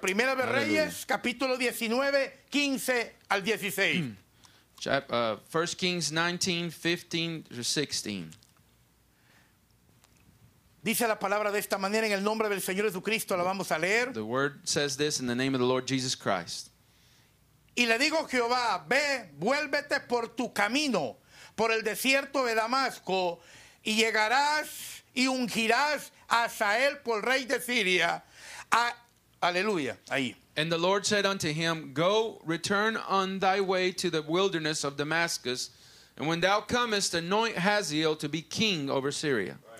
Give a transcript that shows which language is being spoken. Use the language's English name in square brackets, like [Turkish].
[Spanish] Primera de Reyes capítulo 19 15 al 16. Mm. [English] 1 Kings 19:15-16. [Spanish] Dice la palabra de esta manera en el nombre del Señor Jesucristo, la vamos a leer. [English] The word says this in the name of the Lord Jesus Christ. [Spanish] Y le digo Jehová, ve, vuélvete por tu camino, por el desierto de Damasco, y llegarás y ungirás a Hazael por rey de Siria. Aleluya, ahí. [English] And the Lord said unto him, go, return on thy way to the wilderness of Damascus, and when thou comest, anoint Hazael to be king over Syria.